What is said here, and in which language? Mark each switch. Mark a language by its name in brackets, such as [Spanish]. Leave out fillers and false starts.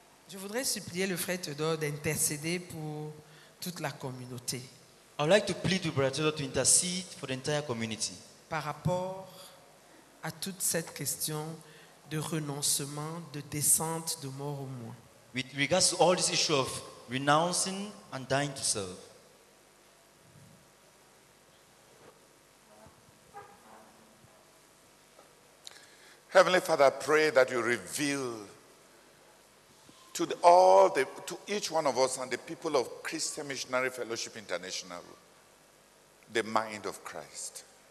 [French] Je voudrais supplier le frère Théodore d'intercéder pour toute la communauté. [English] I would like to plead to Brother Théodore to intercede for the entire community. [French] Par rapport à toute cette question de renoncement, de descente, de mort au moi. [English] With regards to all this issue of renouncing and dying to self. Heavenly Father, I pray that you reveal to each one of us and the people of Christian Missionary Fellowship International the mind of Christ.